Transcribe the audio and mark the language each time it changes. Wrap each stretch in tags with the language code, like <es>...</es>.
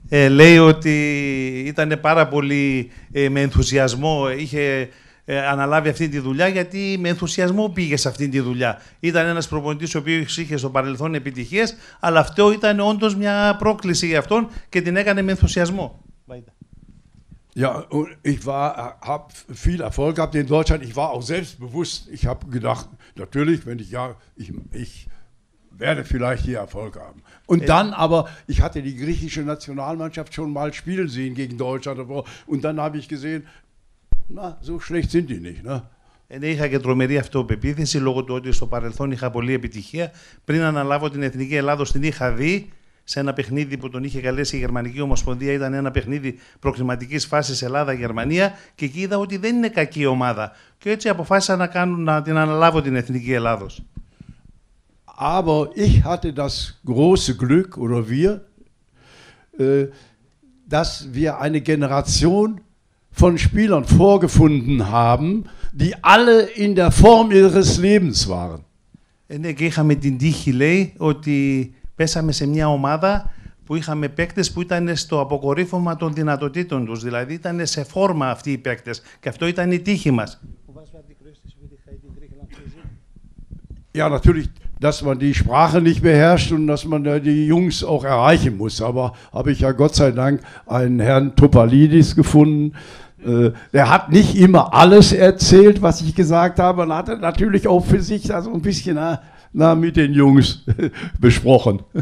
<el>Λέει ότι ήταν πάρα πολύ με ενθουσιασμό, είχε αναλάβει αυτή τη δουλειά, γιατί με ενθουσιασμό πήγε σε αυτή τη δουλειά. Ήταν ένας προπονητής ο οποίος είχε στο παρελθόν επιτυχίες, αλλά αυτό ήταν όντως μια πρόκληση για αυτόν και την έκανε με ενθουσιασμό.</el> <de>Ja, und ich war, habe viel Erfolg gehabt in Deutschland. Ich war auch selbstbewusst. Ich habe gedacht, natürlich, wenn ich ja, ich werde vielleicht hier Erfolg haben. Und dann aber, ich hatte die griechische Nationalmannschaft schon mal spielen sehen gegen Deutschland. Und dann habe ich gesehen, na, so schlecht sind die nicht, ne?</de> <el>Ναι, είχα και τρομερή αυτοπεποίθηση λόγω του ότι στο παρελθόν είχα πολλή επιτυχία. Πριν αναλάβω την Εθνική Ελλάδος, την είχα δει σε ένα παιχνίδι που τον είχε καλέσει η Γερμανική Ομοσπονδία. Ήταν ένα παιχνίδι προκριματικής φάσης Ελλάδα-Γερμανία και εκεί είδα ότι δεν είναι κακή ομάδα. Και έτσι αποφάσισα να, την αναλάβω την Εθνική Ελλάδος. Αλλά είχα το μεγάλο</el> <de>Glück, oder wir, dass wir eine Generation von Spielern vorgefunden haben, die alle in der Form ihres Lebens waren.</de> <el>Ναι, και είχαμε την τύχη, λέει, ότι πέσαμε σε μια ομάδα που είχαμε παίκτες που ήταν στο αποκορύφωμα των δυνατοτήτων τους. Δηλαδή ήταν σε φόρμα αυτοί οι παίκτες. Και αυτό ήταν η τύχη μας.</el> <de>Ja, natürlich, dass man die Sprache nicht beherrscht und dass man die Jungs auch erreichen muss. Aber habe ich ja Gott sei Dank einen Herrn Topalidis gefunden. Der hat nicht immer alles erzählt, was ich gesagt habe, und hat natürlich auch für sich da so ein bisschen mit den Jungs besprochen.</de>